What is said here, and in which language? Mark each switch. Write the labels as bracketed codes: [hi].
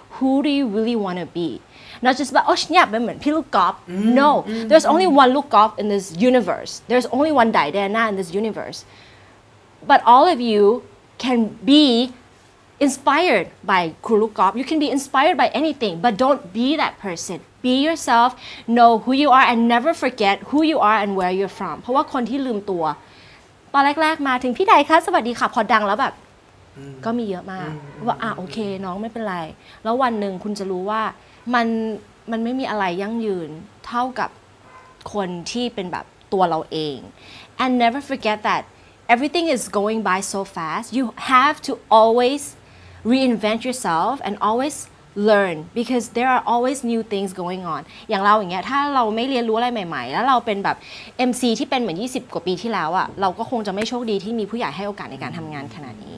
[en] Who do you really want to be? Not just about oh, yeah, but like Luke Goff. No, there's only one Luke Goff in this universe. There's only one Dai Dana in this universe. But all of you can be inspired by Luke Goff. You can be inspired by anything, but don't be that person. Be yourself, know who you are, and never forget who you are and where you're from. [th] เพราะว่าคนที่ลืมตัวตอนแรกๆมาถึงพี่ใดคะสวัสดีค่ะพอดังแล้วแบบก็มีเยอะมากว่าโอเคน้องไม่เป็นไรแล้ววันหนึ่งคุณจะรู้ว่ามันไม่มีอะไรยั่งยืนเท่ากับคนที่เป็นแบบตัวเราเอง [en] and never forget that everything is going by so fast. You have to always reinvent yourself and alwaysLearn because there are always new things going on. [th] อย่างเราอย่างเงี้ยถ้าเราไม่เรียนรู้อะไรใหม่ๆแล้วเราเป็นแบบ MC ที่เป็นเหมือน20กว่าปีที่แล้วอ่ะเราก็คงจะไม่โชคดีที่มีผู้ใหญ่ให้โอกาสในการทำงานขนาดนี